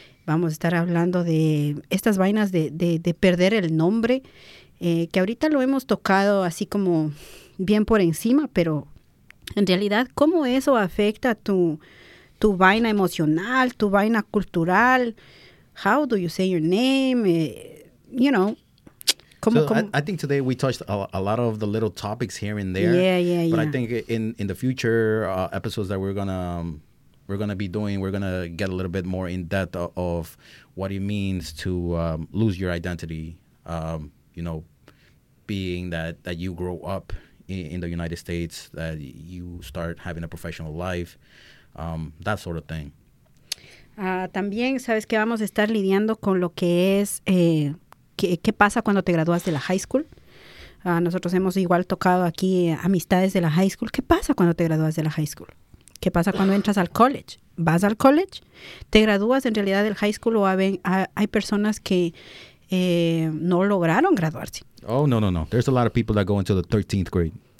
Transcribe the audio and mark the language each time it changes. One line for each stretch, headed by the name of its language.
Spanish: Vamos a estar hablando de estas vainas de perder el nombre, que ahorita lo hemos tocado así como bien por encima, pero En realidad, ¿cómo eso afecta tu vaina emocional, tu vaina cultural?
English: How do you say your name? You know. I think today we touched a lot of the little topics here and there. Yeah. But I think in the future episodes that we're gonna be doing, we're gonna get a little bit more in depth of what it means to lose your identity. You know, being that you grow up in the United States, that you start having a professional life, that sort of thing.
Spanish: También sabes que vamos a estar lidiando con lo que es qué pasa cuando te gradúas de la high school. Nosotros hemos igual tocado aquí amistades de la high school. ¿Qué pasa cuando te gradúas de la high school? ¿Qué pasa cuando entras al college? ¿Vas al college? ¿Te gradúas en realidad del high school o hay personas que no lograron graduarse?
English: Oh, no. There's a lot of people that go into the 13th grade.